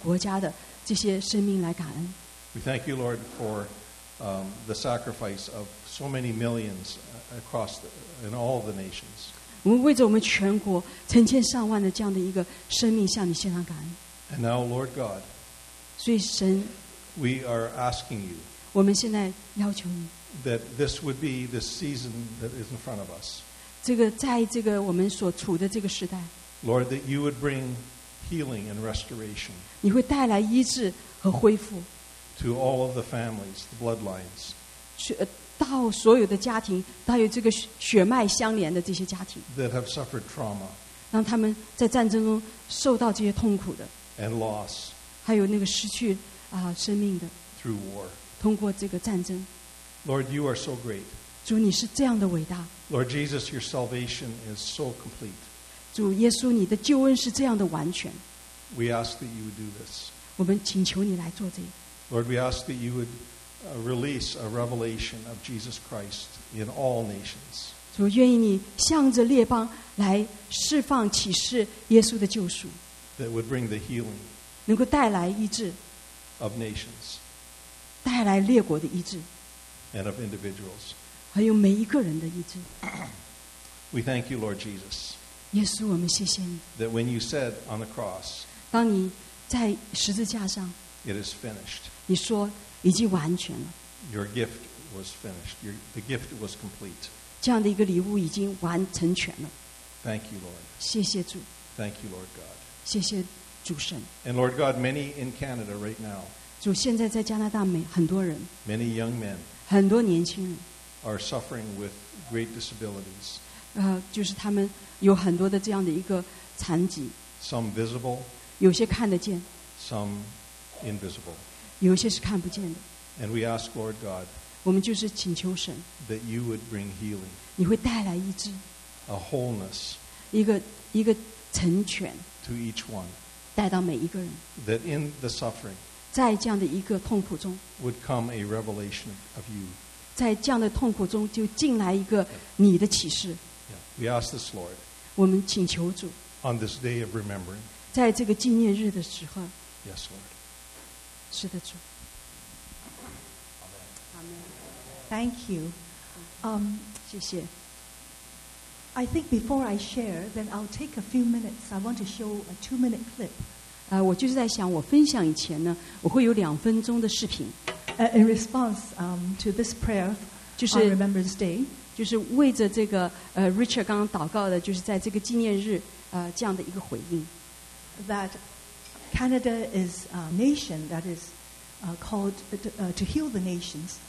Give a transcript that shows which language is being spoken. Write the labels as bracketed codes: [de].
[zh] 所以我们为着那些愿意把自己的生命奉献为着这个国家的这些生命来感恩. [en] We thank you, Lord, for the sacrifice of so many millions across the, in all the nations. [zh] 我们为着我们全国成千上万的这样的一个生命向你献上感恩. [en] And now, Lord God, [zh] 所以神, [en] we are asking you, [zh] 我们现在要求你, [en] that this would be the season that is in front of us. [zh] 这个在这个我们所处的这个时代, [en] Lord, that you would bring healing and restoration, [zh] 你会带来医治和恢复, [en] to all of the families, the bloodlines, [zh] 到所有的家庭, 到有这个血脉相连的这些家庭, [en] that have suffered trauma, [zh] 让他们在战争中受到这些痛苦的, [en] and loss, [zh] 还有那个失去, 生命的, [en] through war, [zh] 通过这个战争. [en] Lord, you are so great. [zh] 主你是这样的伟大. [en] Lord Jesus, your salvation is so complete. [zh] 主耶稣你的救恩是这样的完全. [en] We ask that you would do this. [zh] 我们请求你来做这个. [en] Lord, we ask that you would release a revelation of Jesus Christ in all nations. [zh] 主愿意你向着列邦来释放启示耶稣的救赎. [en] That would bring the healing, [zh] 能够带来医治, [en] of nations, [zh] 带来列国的医治, [en] and of individuals, [zh] 还有每一个人的医治. [en] We thank you, Lord Jesus, [zh] 耶稣我们谢谢你, [en] that when you said on the cross, [zh] 当你在十字架上, [en] it is finished, [zh] 你说已经完全了, [en] your gift was finished, the gift was complete, [zh] 这样的一个礼物已经完成全了. [en] Thank you, Lord, [zh] 谢谢主. [en] Thank you, Lord God. [zh] 谢谢主神. [en] And Lord God, many in Canada right now, [zh] 主现在在加拿大美很多人, [en] many young men, [zh] 很多年轻人, [en] are suffering with great disabilities, [zh] 就是他们有很多的这样的一个残疾, [en] some visible, [zh] 有些看得见, [en] some invisible, [zh] 有些是看不见的. [en] And we ask, Lord God, [zh] 我们就是请求神, [en] that you would bring healing, [zh] 你会带来医治, [en] a wholeness, [zh] 一个成全, [en] to each one, [zh] 带到每一个人, [en] that in the suffering, [zh] 在这样的一个痛苦中, [en] would come a revelation of you, [zh] 在这样的痛苦中就进来一个你的启示。 [en] Yeah. We ask this, Lord. [zh] 我们请求主。 [en] On this day of remembering. [zh] 在这个纪念日的时候。 [en] Yes, Lord. [zh] 是的，主。 [en] Amen. Thank you. [zh] 谢谢。 [en] I think before I share, then I'll take a few minutes. I want to show a 2-minute clip. [zh] 我就是在想，我分享以前呢，我会有两分钟的视频。 [en] In response to this prayer on Remembrance Day, [zh] 就是为着这个Richard 刚刚祷告的，就是在这个纪念日这样的一个回应。 [en] That Canada is a nation that is called to heal the nations.